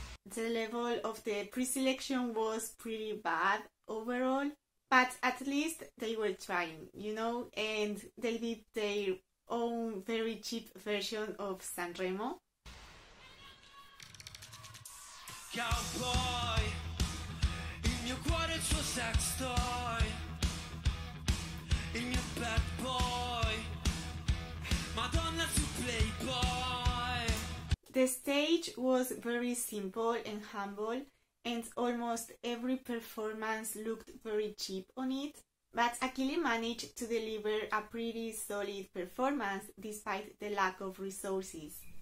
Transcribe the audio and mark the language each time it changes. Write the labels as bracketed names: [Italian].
[English] The level of the pre-selection was pretty bad overall, but at least they were trying, you know, and they did their own very cheap version of San Remo. [Italian] Cowboy, il mio cuore è suo [English] sex toy, [Italian] il mio [English] bad boy, [Italian] Madonna su Playboy. [English] The stage was very simple and humble, and almost every performance looked very cheap on it, but Achille managed to deliver a pretty solid performance despite the lack of resources.